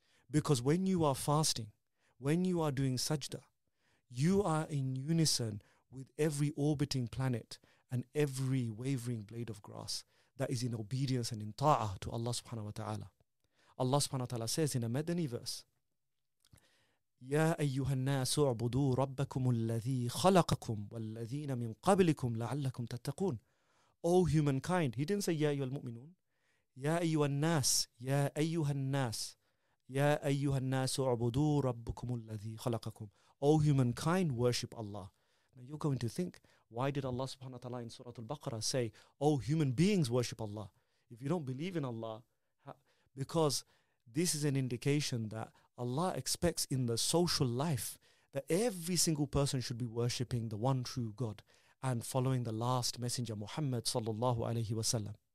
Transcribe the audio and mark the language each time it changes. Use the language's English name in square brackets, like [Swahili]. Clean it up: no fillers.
[English] Because when you are fasting, when you are doing sajda, you are in unison with every orbiting planet and every wavering blade of grass that is in obedience and in ta'ah to Allah subhanahu wa ta'ala. Allah subhanahu wa ta'ala says in a Madani verse, [Arabic] يا أيها الناس اعبدوا ربكم الذي خلقكم والذين من قبلكم لعلكم تتقون. [English] Oh humankind, he didn't say [Arabic] يا أيها المؤمنون. يا أيها الناس, يا أيها الناس, يا أيها الناس اعبدوا ربكم الذي خلقكم. [English] Oh humankind, worship Allah. Now you're going to think, why did Allah subhanahu wa ta'ala in Surah Al-Baqarah say, oh human beings, worship Allah? If you don't believe in Allah, because this is an indication that Allah expects in the social life that every single person should be worshipping the one true God and following the last messenger, Muhammad sallallahu alayhi wa sallam.